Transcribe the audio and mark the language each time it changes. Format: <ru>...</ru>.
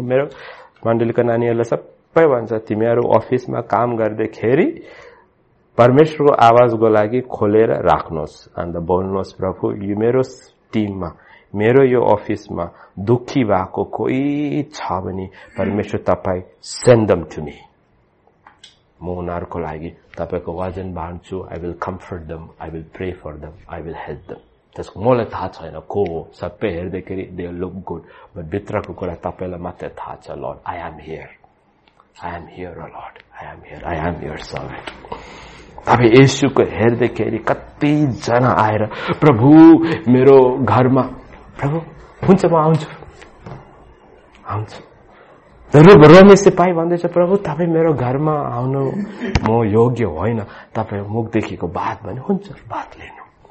<ne>मेरो मण्डलीको नानीहरूलाई सबै भन्छ, तिमीहरू अफिसमा काम गर्दाखेरि परमेश्वरको आवाजको लागि खोलेर राख्नुहोस्, अन्त बोल्नुहोस् प्रभु यो मेरो टिममा, मेरो यो अफिसमा दुःखी भएको कोही छ भने परमेश्वर तपाईँ</ne> <en>Send them to me.</en> <ne>म उनीहरूको लागि तपाईँको वजन बाँड्छु,</ne> <en>I will comfort them, I will pray for them, I will help them.</en> <ne>त्यसको मलाई थाहा छैन को हो, सबै हेर्दाखेरि</ne> <en>they look good,</en> <ne>भित्रको कुरा तपाईँलाई मात्रै थाहा छ.</ne> <en>Lord I am here, I am here a lord, I am here, I am here servant.</en> <ne>तपाईँ यसुको हेर्दाखेरि कतिजना आएर प्रभु मेरो घरमा, प्रभु हुन्छ म आउँछु आउँछु. रमेश पाई भन्दैछ प्रभु तपाईँ मेरो घरमा आउनु म योग्य होइन, तपाईँ मुखदेखिको बात भने हुन्छ बात लिनु.</ne>